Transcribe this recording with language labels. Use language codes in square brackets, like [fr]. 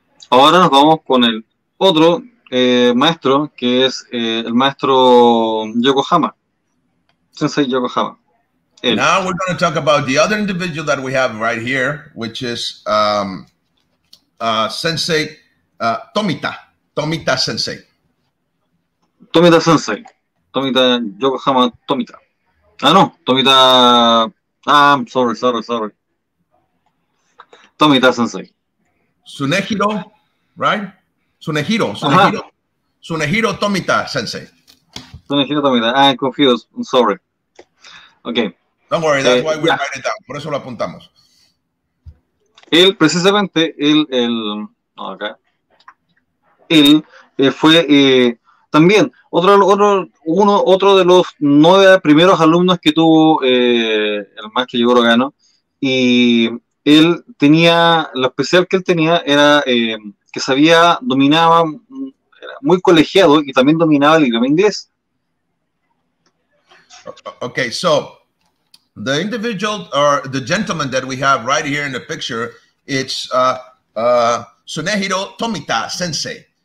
[es] Ahora nos vamos con el otro maestro, que es el maestro Yokohama, Sensei Yokohama. Él. [en] Now we're going to talk about the other individual that we have right here, which is Sensei Tomita, Tomita Sensei. Tomita Sensei, Tomita Yokohama Tomita. Ah, no, Tomita, ah, I'm sorry, sorry, sorry. Tomita Sensei. Tsunehiro, right? Tsunehiro, Tsunehiro. Tsunehiro Tomita Sensei. Tsunehiro Tomita, I'm confused, I'm sorry. Okay. Don't worry, that's why we're writing it down. [es] Por eso lo apuntamos. Él, precisamente, él, acá. Él fue, también, otro de los 9 primeros alumnos que tuvo el maestro Jigoro Kano, y él tenía, lo especial que él tenía era que sabía, dominaba, era muy colegiado y también dominaba el idioma inglés. [en] Okay, so, the individual, or the gentleman that we have right here in the picture, it's Tsunehiro Tomita Sensei.